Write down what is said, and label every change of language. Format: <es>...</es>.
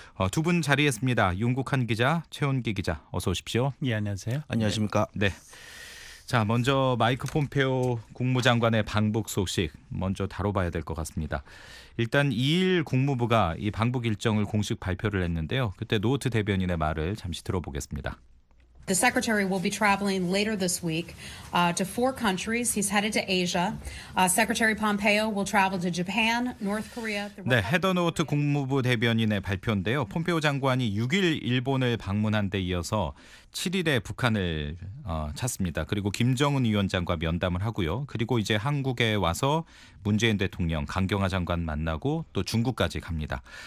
<ko>두 분 자리했습니다. 윤국한 기자, 최원기 기자 어서 오십시오. 예, 안녕하세요. 안녕하십니까. 네. 자, 먼저 마이크 폼페오 국무장관의 방북 소식 먼저 다뤄봐야 될 것 같습니다. 일단 2일 국무부가 이 방북 일정을 공식 발표를 했는데요. 그때 노트 대변인의 말을 잠시 들어보겠습니다.</ko> <en>The secretary will be traveling later this week to four countries. He's headed to Asia. Secretary Pompeo will travel to Japan, North Korea.</en> <ko>네, 헤더 노트 국무부 대변인의 발표인데요. 폼페오 장관이 6일 일본을 방문한 데 이어서 7일에 북한을 찾습니다. 그리고 김정은 위원장과 면담을 하고요. 그리고 이제 한국에 와서 문재인 대통령, 강경화 장관 만나고 또 중국까지 갑니다.</ko>